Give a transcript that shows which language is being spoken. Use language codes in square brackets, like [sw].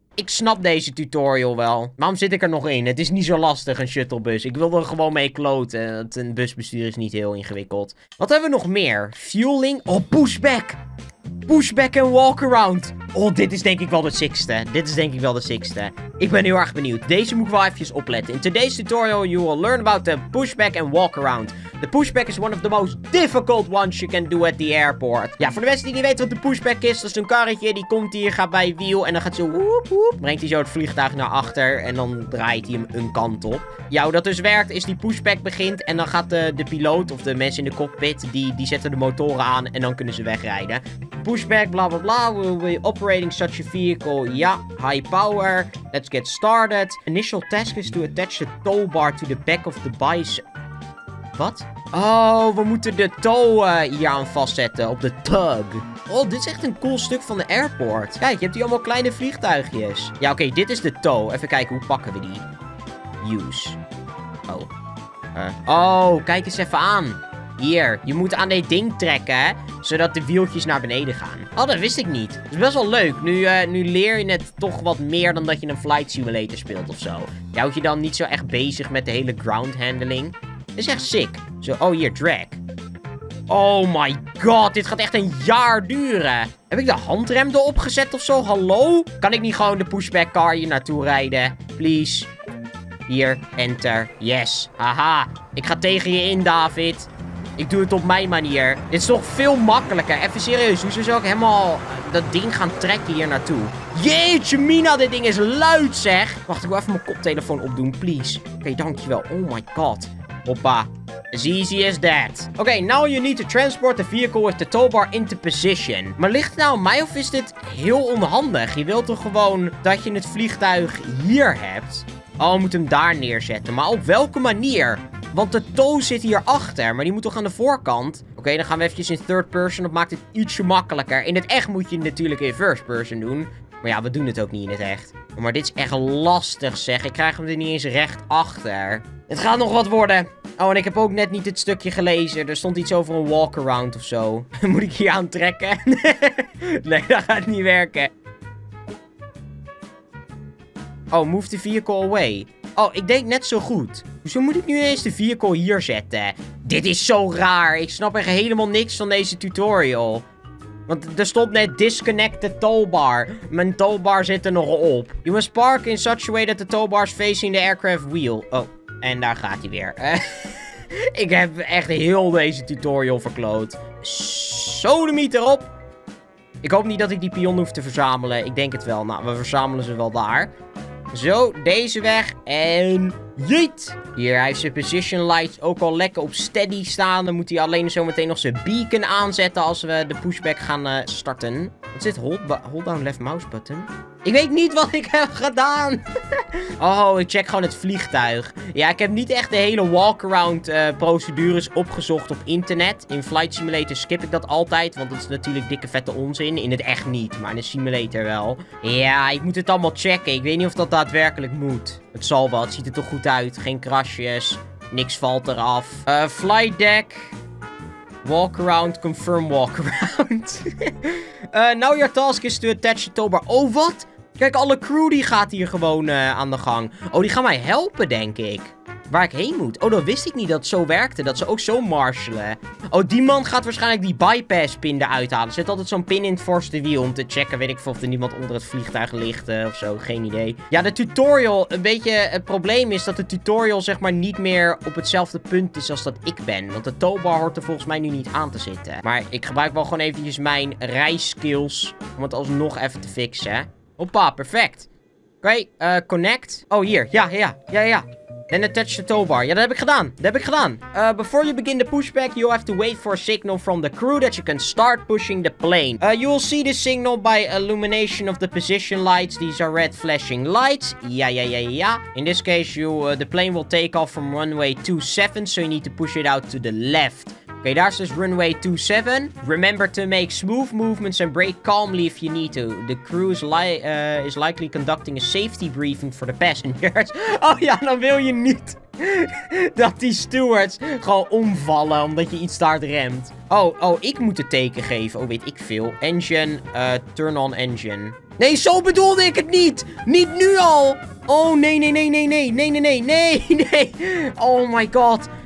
[nl] Ik snap deze tutorial wel. Waarom zit ik er nog in? Het is niet zo lastig, een shuttlebus. Ik wil er gewoon mee kloten. Een busbestuur is niet heel ingewikkeld. Wat hebben we nog meer? Fueling. Oh, pushback. Pushback en walkaround. Oh, dit is denk ik wel de sickste. Dit is denk ik wel de sickste. Ik ben heel erg benieuwd. Deze moet ik wel even opletten. [en] In today's tutorial, you will learn about the pushback and walkaround. The pushback is one of the most difficult ones you can do at the airport. [nl] Ja, voor de mensen die niet weten wat de pushback is, dat is een karretje. Die komt hier, gaat bij wiel en dan gaat zo woep woep. Brengt hij zo het vliegtuig naar achter en dan draait hij hem een kant op. Ja, hoe dat dus werkt, is die pushback begint en dan gaat de piloot of de mensen in de cockpit, die zetten de motoren aan en dan kunnen ze wegrijden. [en] pushback, bla bla bla. We'll be operating such a vehicle. Yeah, high power. Let's get started. Initial task is to attach the tow bar to the back of the bicep. [nl] Wat? Oh, we moeten de tow hier aan vastzetten op de tug. Oh, dit is echt een cool stuk van de airport. Kijk, je hebt hier allemaal kleine vliegtuigjes. Ja, oké, dit is de tow. Even kijken, hoe pakken we die? Use. Oh. Oh, kijk eens even aan. Hier, je moet aan dit ding trekken, hè? Zodat de wieltjes naar beneden gaan. Oh, dat wist ik niet. Dat is best wel leuk. Nu leer je het toch wat meer dan dat je een flight simulator speelt of zo. Je houdt je dan niet zo echt bezig met de hele ground handling. Dat is echt sick. Zo, oh hier, drag. [en] Oh my god, [nl] dit gaat echt een jaar duren. Heb ik de handrem erop gezet of zo? Hallo? Kan ik niet gewoon de pushback car hier naartoe rijden? [en] Please. [nl] Hier, [en] enter. Yes. Haha. [nl] Ik ga tegen je in, David. Ik doe het op mijn manier. Dit is toch veel makkelijker. Even serieus. Hoezo zou ik helemaal dat ding gaan trekken hier naartoe? Jeetje, Mina. Dit ding is luid, zeg. Wacht, ik wil even mijn koptelefoon opdoen. [en] Please. Oké, okay, [nl] dankjewel. [en] Oh my god. [nl] Hoppa. [en] As easy as that. Oké, okay, now you need to transport the vehicle with the tow bar into position. [nl] Maar ligt het nou aan mij of is dit heel onhandig? Je wilt toch gewoon dat je het vliegtuig hier hebt? Oh, we moeten hem daar neerzetten. Maar op welke manier? Want de tow zit hier achter, maar die moet toch aan de voorkant? Oké, okay, dan gaan we eventjes in third person. Dat maakt het ietsje makkelijker. In het echt moet je het natuurlijk in first person doen. Maar ja, we doen het ook niet in het echt. Maar dit is echt lastig, zeg. Ik krijg hem er niet eens recht achter. Het gaat nog wat worden. Oh, en ik heb ook net niet het stukje gelezen. Er stond iets over een walkaround of zo. Moet ik hier aantrekken? Nee, dat gaat niet werken. Oh, [en] move the vehicle away. [nl] Oh, ik denk net zo goed. Hoezo moet ik nu eens de vehicle hier zetten? Dit is zo raar. Ik snap echt helemaal niks van deze tutorial. Want er stond net [en] disconnect the towbar. [nl] Mijn towbar zit er nog op. [en] You must park in such a way that the towbar is facing the aircraft wheel. [nl] Oh, en daar gaat hij weer. Ik heb echt heel deze tutorial verkloot. Sodemiet erop. Ik hoop niet dat ik die pion hoef te verzamelen. Ik denk het wel. Nou, we verzamelen ze wel daar. Zo, deze weg. En jeet. Hier, hij heeft zijn position lights ook al lekker op steady staan. Dan moet hij alleen zo meteen nog zijn beacon aanzetten als we de pushback gaan starten. Wat is dit? [en] Hold down left mouse button? [nl] Ik weet niet wat ik heb gedaan. Oh, ik check gewoon het vliegtuig. Ja, ik heb niet echt de hele walkaround procedures opgezocht op internet. In Flight Simulator skip ik dat altijd, want dat is natuurlijk dikke vette onzin. In het echt niet, maar in de simulator wel. Ja, ik moet het allemaal checken. Ik weet niet of dat daadwerkelijk moet. Het zal wel. Het ziet er toch goed uit. Geen crashjes. Niks valt eraf. Flight deck. Walk around. [en] Confirm walk around. now your task is to attach the tow bar. [nl] Oh, wat? Kijk, alle crew die gaat hier gewoon aan de gang. Oh, die gaan mij helpen, denk ik. Waar ik heen moet. Oh, dan wist ik niet dat het zo werkte. Dat ze ook zo marshalen. Oh, die man gaat waarschijnlijk die bypass pin eruit halen. Zet altijd zo'n pin in het voorste wiel om te checken. Weet ik of er niemand onder het vliegtuig ligt of zo. Geen idee. Ja, de tutorial. Een beetje het probleem is dat de tutorial zeg maar niet meer op hetzelfde punt is als dat ik ben. Want de towbar hoort er volgens mij nu niet aan te zitten. Maar ik gebruik wel gewoon eventjes mijn rijskills om het alsnog even te fixen. Hoppa, perfect. Oké, connect. Oh, hier. Ja. En [en] attach the tow bar. [nl] Ja, dat heb ik gedaan. [en] Before you begin the pushback, you'll have to wait for a signal from the crew that you can start pushing the plane. You'll see the signal by illumination of the position lights. These are red flashing lights. [nl] Ja. [en] In this case, the plane will take off from runway 27, so you need to push it out to the left. Okay, [nl] daar staat runway 27. [en] Remember to make smooth movements and brake calmly if you need to. The crew is likely conducting a safety briefing for the passengers. [nl] Oh ja, dan wil je niet dat die stewards gewoon omvallen omdat je iets daar remt. Oh, ik moet het teken geven. Oh, weet ik veel. [en] Engine, turn on engine. [nl] Nee, zo bedoelde ik het niet. Niet nu al. Oh, nee. [en] Oh my god.